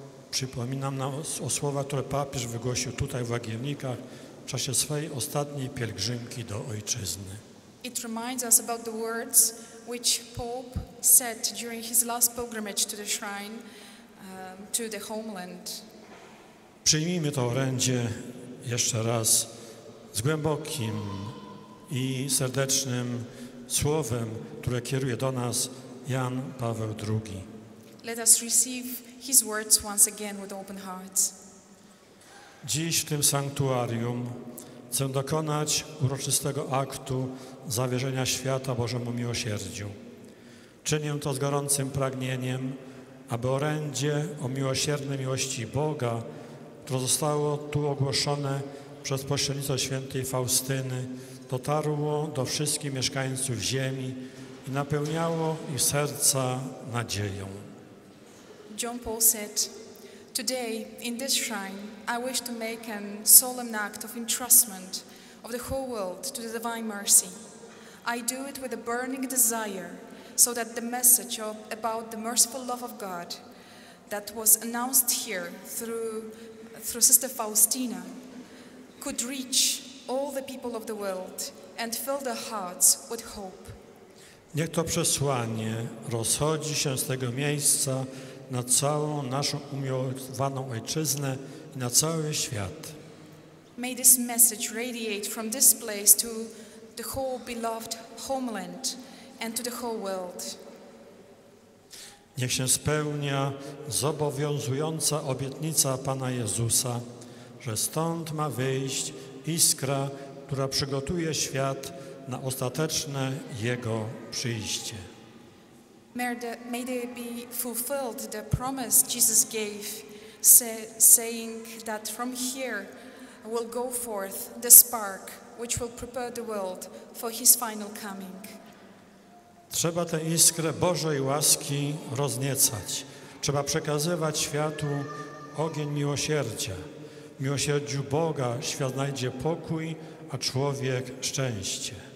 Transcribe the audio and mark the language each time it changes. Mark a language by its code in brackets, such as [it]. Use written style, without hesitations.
[pl] Przypominam nam o słowach, które papież wygłosił tutaj w Łagiewnikach w czasie swojej ostatniej pielgrzymki do ojczyzny. [en] It reminds us about the words which Pope said during his last pilgrimage to the shrine, to the homeland. [pl] Przyjmijmy to orędzie jeszcze raz z głębokim i serdecznym słowem, które kieruje do nas Jan Paweł II. [en] Let us receive his words once again with open hearts. [pl] Dziś w tym sanktuarium chcę dokonać uroczystego aktu zawierzenia świata Bożemu Miłosierdziu. Czynię to z gorącym pragnieniem, aby orędzie o miłosiernej miłości Boga, które zostało tu ogłoszone przez pośrednictwo świętej Faustyny, dotarło do wszystkich mieszkańców ziemi i napełniało ich serca nadzieją. [en] John Paul said, today, in this shrine, I wish to make a solemn act of entrustment of the whole world to the divine mercy. I do it with a burning desire so that the message about the merciful love of God that was announced here through Sister Faustina could reach all the people of the world and fill their hearts with hope. [pl] Niech to przesłanie rozchodzi się z tego miejsca na całą naszą umiłowaną ojczyznę i na cały świat. [en] May this message radiate from this place to the whole beloved homeland and to the whole world. [pl] Niech się spełnia zobowiązująca obietnica Pana Jezusa, że stąd ma wyjść iskra, która przygotuje świat na ostateczne Jego przyjście. [en] May they be fulfilled the promise Jesus gave, saying that from here will go forth the spark which will prepare the world for his final coming. [pl] Trzeba tę iskrę Bożej łaski rozniecać. Trzeba przekazywać światu ogień miłosierdzia. W miłosierdziu Boga świat znajdzie pokój, a człowiek szczęście.